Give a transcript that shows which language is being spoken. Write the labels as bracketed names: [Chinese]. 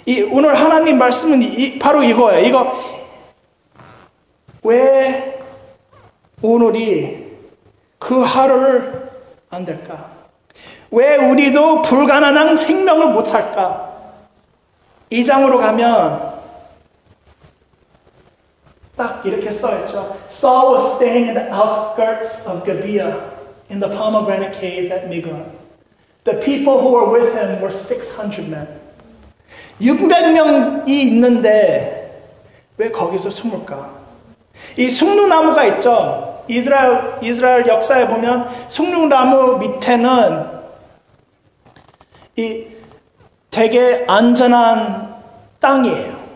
[Korean] 오늘 하나님 말씀은 바로 이거예요. 이거 왜 오늘이 그 하루를 안 될까? 왜 우리도 불가능한 생명을 못 살까? 이 장으로 가면 딱 이렇게 써있죠. [English] Saul was staying in the outskirts of Gibea in the pomegranate cave at Migron. The people who were with him were 600 men. [Korean] 600명이 있는데 왜 거기서 숨을까? 이 숭류나무가 있죠. 이스라엘 역사에 보면 숭류나무 밑에는 이 되게 안전한 땅이에요.